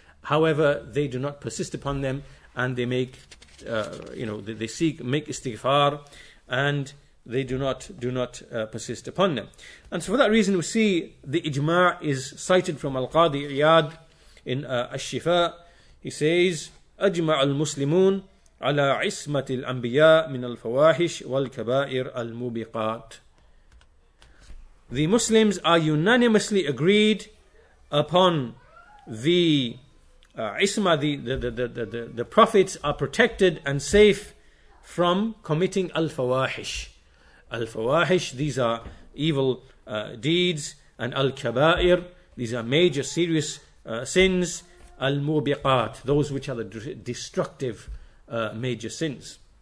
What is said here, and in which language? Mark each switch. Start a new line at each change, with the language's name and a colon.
English: However, they do not persist upon them, and they make, make istighfar, and they do not persist upon them. And so for that reason, we see the ijma' is cited from Al-Qadi Iyad in Al-Shifa. He says,
Arabic: أَجْمَعُ الْمُسْلِمُونَ عَلَىٰ عِصْمَةِ الْأَنْبِيَاءِ مِنَ الْفَوَاحِشِ وَالْكَبَائِرِ الْمُبِقَاتِ.
English: The Muslims are unanimously agreed upon the isma, the prophets are protected and safe from committing al-fawahish. Al-fawahish, these are evil deeds, and al-kabair, these are major serious sins, al-mubiqat, those which are the destructive major sins.